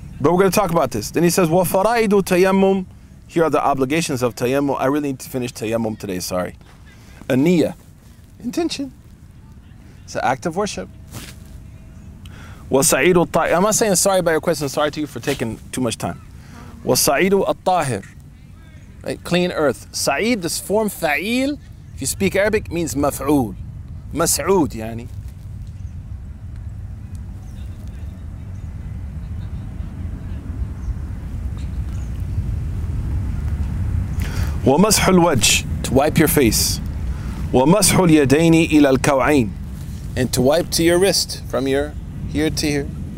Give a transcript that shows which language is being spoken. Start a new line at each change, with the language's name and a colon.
English: But we're going to talk about this. Then he says,
Arabic: wa faraidu tayammum.
English: Here are the obligations of tayammum. I really need to finish tayammum today, sorry. Aniyah. Intention. It's an act of worship.
Arabic: Wa sa'idu ta'ir.
English: I'm not saying sorry about your question. Sorry to you for taking too much time.
Arabic: وَسَعِيدُ الطَّاهِرُ,
English: right? Clean earth. Sa'id, this form fa'il, if you speak Arabic, means maf'ul.
Arabic: Mas'ud, yani. وَمَسْحُ الْوَجْهِ,
English: to wipe your face.
Arabic: وَمَسْحُ الْيَدَيْنِ إِلَى الْكَوْعَيْنِ,
English: and to wipe to your wrist, from your here to here.